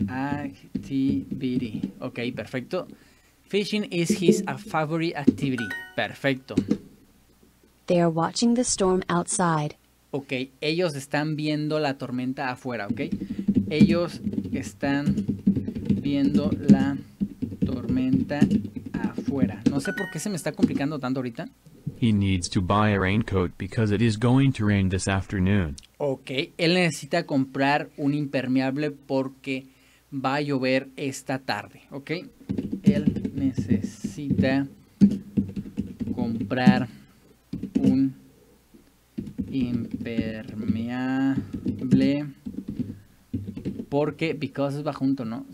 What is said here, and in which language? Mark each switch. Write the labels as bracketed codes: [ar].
[en] Activity. [es] Ok, perfecto. [en] Fishing is his favorite activity. Perfecto. They are watching the storm outside. [es] Ok, ellos están viendo la tormenta afuera, ok. Ellos están viendo la tormenta afuera. No sé por qué se me está complicando tanto ahorita. [en] He needs to buy a raincoat because it is going to rain this afternoon. [es] Ok, él necesita comprar un impermeable porque va a llover esta tarde, ok. Él necesita comprar un impermeable porque, because va junto, ¿no?